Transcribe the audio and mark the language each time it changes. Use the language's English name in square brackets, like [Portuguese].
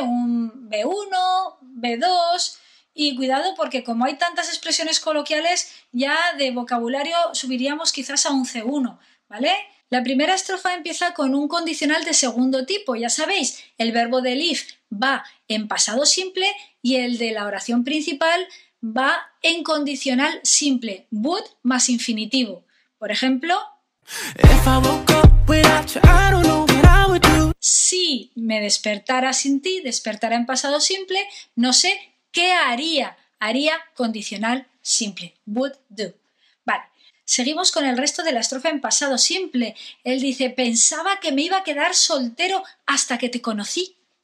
[Spanish] Un B1, B2, y cuidado porque como hay tantas expresiones coloquiales, ya de vocabulario subiríamos quizás a un C1, ¿vale? La primera estrofa empieza con un condicional de segundo tipo, ya sabéis, el verbo del if va en pasado simple y el de la oración principal va en condicional simple, would más infinitivo. Por ejemplo, [English] if I woke up without you, I don't know. [Spanish] Si me despertara sin ti, despertara en pasado simple, no sé qué haría. Haría condicional simple. Would do. Vale, seguimos con el resto de la estrofa en pasado simple. Él dice, pensaba que me iba a quedar soltero hasta que te conocí.